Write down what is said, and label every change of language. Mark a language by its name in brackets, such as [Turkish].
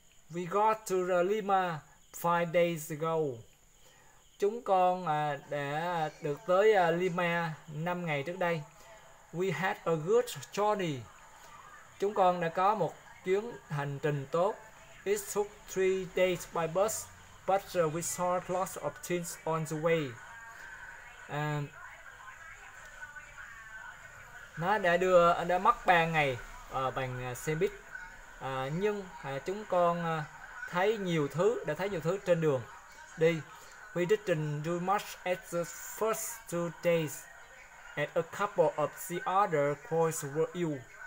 [English] We got to Lima 5 days ago. [Vietnamese] Chúng con đã được tới Lima 5 ngày trước đây. [English] We had a good journey. [Vietnamese] Chúng con đã có một chuyến hành trình tốt. [English] It took 3 days by bus, but we saw lots of things on the way. [Vietnamese] Nó đã mất 3 ngày bằng xe buýt. Nhưng chúng con thấy nhiều thứ, đã thấy nhiều thứ trên đường đi. [English] We didn't do much at the first 2 days, and a couple of the other boys were ill.